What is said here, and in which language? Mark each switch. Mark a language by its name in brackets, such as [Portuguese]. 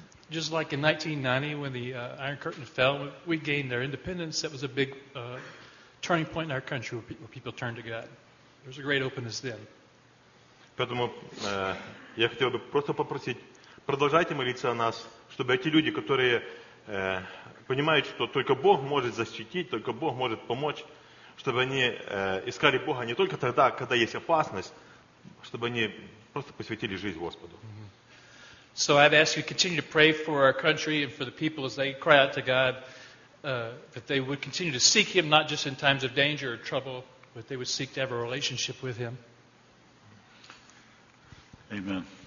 [English] Just like in 1990 when the Iron Curtain fell, we gained their independence. That was a big turning point in our country where people turned to God. There was a great openness then. [Russian] Поэтому я хотел бы просто попросить, продолжайте молиться о нас, чтобы эти люди, которые понимают, что только Бог может защитить, только Бог может помочь, чтобы они искали Бога не только тогда, когда есть опасность, чтобы они просто посвятили жизнь Господу. [English] So I'd ask you to continue to pray for our country and for the people as they cry out to God, that they would continue to seek Him, not just in times of danger or trouble, but they would seek to have a relationship with Him. Amen.